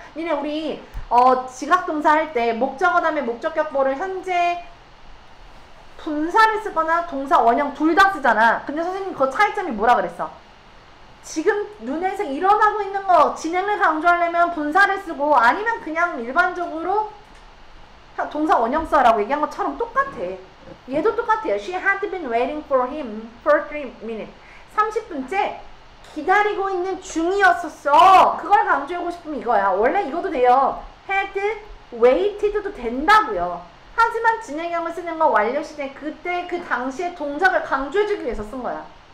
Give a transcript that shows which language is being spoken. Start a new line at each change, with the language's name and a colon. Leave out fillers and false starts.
Korean: 니네 우리 지각동사 할 때 목적어 다음에 목적격보를 현재 분사를 쓰거나 동사 원형 둘 다 쓰잖아. 근데 선생님 그 차이점이 뭐라 그랬어? 지금 눈에서 일어나고 있는 거 진행을 강조하려면 분사를 쓰고 아니면 그냥 일반적으로 동사 원형 써라고 얘기한 것처럼 똑같아. 얘도 똑같아요.
English: She had been waiting for him for 3 minutes.
Korean: 30분째 기다리고 있는 중이었었어. 그걸 강조하고 싶으면 이거야. 원래 이것도 돼요. had waited도 된다고요. 하지만 진행형을 쓰는 건 완료시대 그때 그 당시에 동작을 강조해주기 위해서 쓴 거야.